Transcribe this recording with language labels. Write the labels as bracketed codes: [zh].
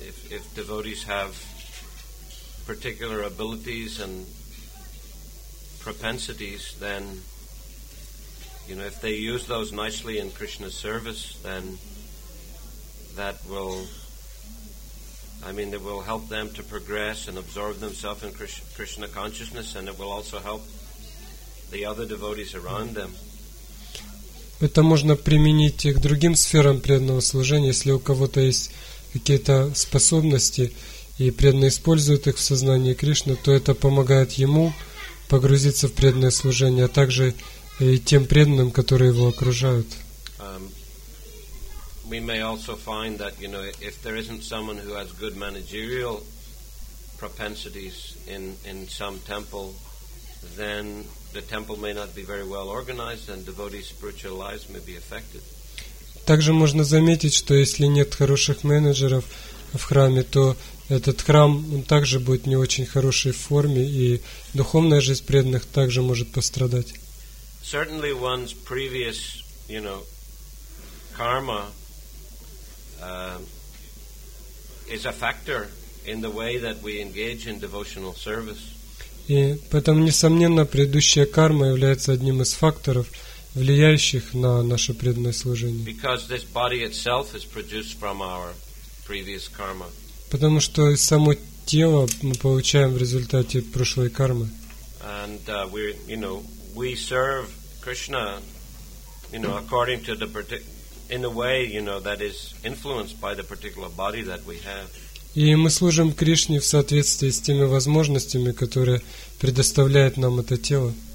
[en] If devotees have particular abilities and propensities, then, you know, if they use those nicely in Krishna's service, then that will, I mean, it will help them to progress and absorb themselves in Krishna consciousness, and it will also help the other devotees around them. [ru] Это можно применить и к другим сферам преданного служения, если у кого-то есть какие-то способности, и преданный использует их в сознании Кришны, то это помогает ему погрузиться в преданное служение, а также и тем преданным, которые его окружают. [en] We may also find that, you know, if there isn't someone who has good managerial propensities in some temple, then the temple may not be very well organized and devotees' spiritual lives may be affected. [ru] Также можно заметить, что если нет хороших менеджеров в храме, то этот храм, он также будет не очень хорошей в форме, и духовная жизнь преданных также может пострадать. [en] Certainly one's previous, you know, karma is a factor in the way that we engage in devotional service. [ru] И поэтому, несомненно, предыдущая карма является одним из факторов, влияющих на наше преданное служение. [en] Because this body itself is produced from our previous karma. [ru] Потому что само тело мы получаем в результате прошлой кармы. [en] And we, you know, we serve Krishna, you know, according to the in a way, you know, that is influenced by the particular body that we have. [ru] И мы служим Кришне в соответствии с теми возможностями, которые предоставляет нам это тело.